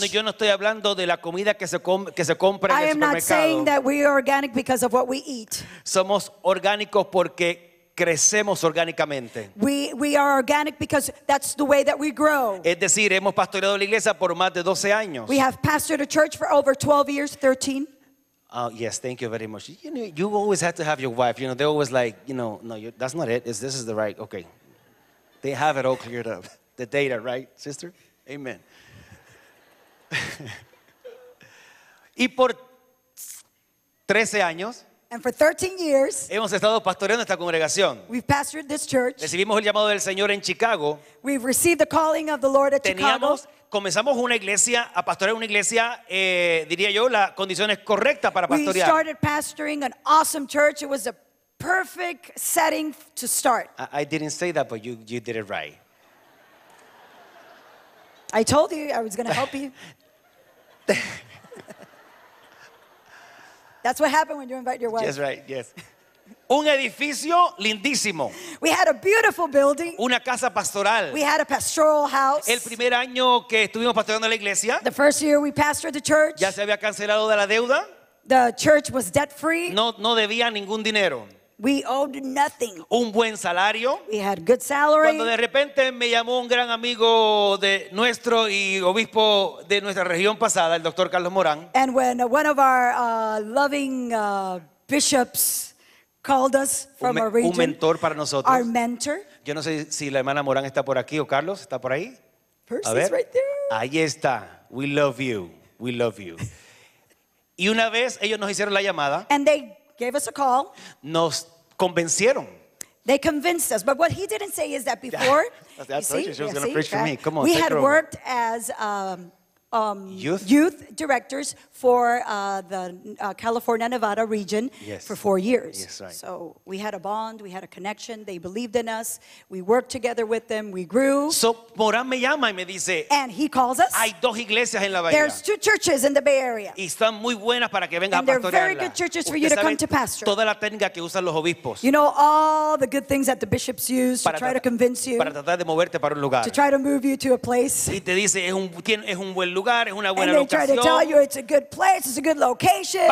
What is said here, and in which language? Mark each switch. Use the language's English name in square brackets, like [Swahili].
[Spanish] no, yo no estoy hablando de la comida que se compra en el supermercado. [English] I am not saying that we are organic because of what we eat. [Spanish] Somos orgánicos porque crecemos orgánicamente. [English] We are organic because that's the way that we grow. [Spanish] Es decir, hemos pastoreado la iglesia por más de 12 años. [English] We have pastored a church for over 12 years, 13. Oh, yes, thank you very much. You know, you always have to have your wife. You know, they're always like, you know, no, that's not it. This is the right, okay. They have it all cleared up. The data, right, sister? Amen. [Spanish] Y por 13 años. [English] And for 13 years. [Spanish] Hemos estado pastoreando esta congregación. [English] We've pastored this church. [Spanish] Recibimos el llamado del Señor en Chicago. [English] We've received the calling of the Lord at [Spanish] Teníamos [English] Chicago. [Spanish] Comenzamos una iglesia, a pastorear una iglesia, diría yo, las condiciones correctas para pastorear. [English] We started pastoring an awesome church. It was a perfect setting to start. I didn't say that, but you did it right. I told you I was going to help you. That's what happens when you invite your wife. That's right, yes. [Spanish] Un edificio lindísimo. [English] We had a beautiful building. [Spanish] Una casa pastoral. [English] We had a pastoral house. [Spanish] El primer año que estuvimos pastoreando la iglesia. [English] The first year we pastored the church. [Spanish] Ya se había cancelado de la deuda. [English] The church was debt free. [Spanish] No debía ningún dinero. [English] We owed nothing. [Spanish] Un buen salario. [English] We had good salary. [Spanish] Cuando de repente me llamó un gran amigo de nuestro y obispo de nuestra región pasada, el doctor Carlos Morán. [English] And when one of our loving bishops called us from our region. [Spanish] Un mentor para nosotros. [English] Our mentor. [Spanish] Yo no sé si la hermana Morán está por aquí o Carlos está por ahí. [English] Percy's right there. [Spanish] Ahí está. [English] We love you. We love you. [Spanish] Y una vez ellos nos hicieron la llamada. [English] And they gave us a call. [Spanish] Nos convencieron. [English] They convinced us. But what he didn't say is that before, we had worked as youth directors for the California Nevada region for 4 years. Yes, right. So we had a bond, we had a connection, they believed in us, we worked together with them, we grew. [Spanish] So Morán me llama y me dice, [English] and he calls us. [Spanish] Hay dos iglesias en la Bahía. [English] There's two churches in the Bay Area. [Spanish] Y están muy buenas para que venga [English] and [Spanish] a pastorearla. [English] They're very good churches for you to come to pastor. [Spanish] Toda la técnica que usan los obispos. [English] You know all the good things that the bishops use to try to convince you. [Spanish] Para tratar de moverte para un lugar. [English] To try to move you to a place. [Spanish] Y te dice, es un buen lugar, es una buena [English] and they [Spanish] locación. [English] Try to tell you it's a good place, it's a good location.